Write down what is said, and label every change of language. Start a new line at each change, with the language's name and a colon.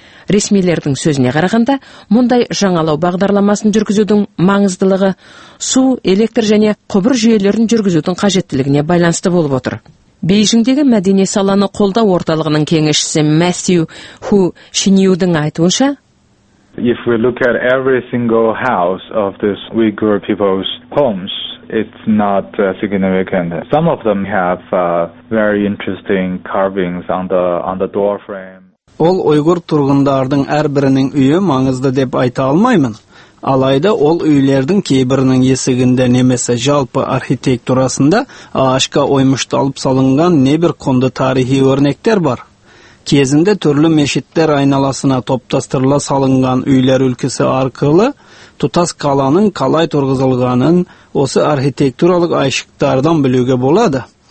Kazakh: Ресмилердің сөзіне қарағанда, мұндай жаңалау бағдарламасын жүргізудің маңыздылығы су, электр және құбыр жүйелерін жүргізудің қажеттілігіне байланысты болып отыр. Бейжіңдегі мәдени саланы қолдау орталығының кеңесшісі Мэсью Ху Шиньюдің айтуынша,
English: If we look at every single house of this Uyghur people's homes, it's not significant. Some of them have very interesting carvings on the door frame.
Kazakh: Ол ұйғыр тұрғындардың әрбірінің үйі маңызды деп айта алмаймын. Алайда ол үйлердің кейбірінің есігінде немесе жалпы архитектурасында ағашқа оймышталып салынған небір құнды тарихи өрнектер бар. Кезінде түрлі мешіттер айналасына топтастырыла салынған үйлер үлкісі арқылы тұтас қаланың қалай тұрғызылғанын осы архитектуралық айшықтардан білуге болады.